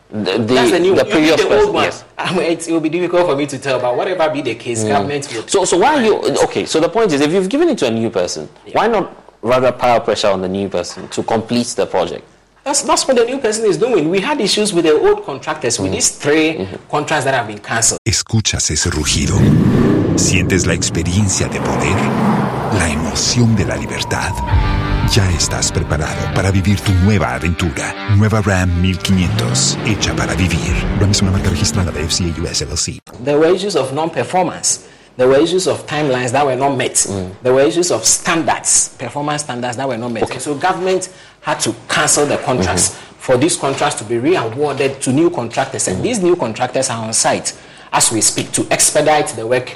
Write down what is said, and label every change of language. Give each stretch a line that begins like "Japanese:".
English: It will be difficult for me to tell, but whatever be the case, government will. So the point is, if you've given it to a new person, why not rather pile pressure on the new person to complete the project? That's what the new person is doing. We had issues with the old contractors with these three contracts that have been cancelled.
Spanish: Escuchas ese rugido. Sientes la experiencia de poder, la emoción de la libertad. Ya estás preparado para vivir tu nueva aventura. Nueva Ram 1500, hecha para vivir. Ram es una marca registrada de FCA US LLC.
English: There were issues of non-performance. There were issues of timelines that were not met. There were issues of standards, performance standards that were not met. Okay. So government had to cancel the contracts for these contracts to be re-awarded to new contractors. And these new contractors are on site as we speak to expedite the work.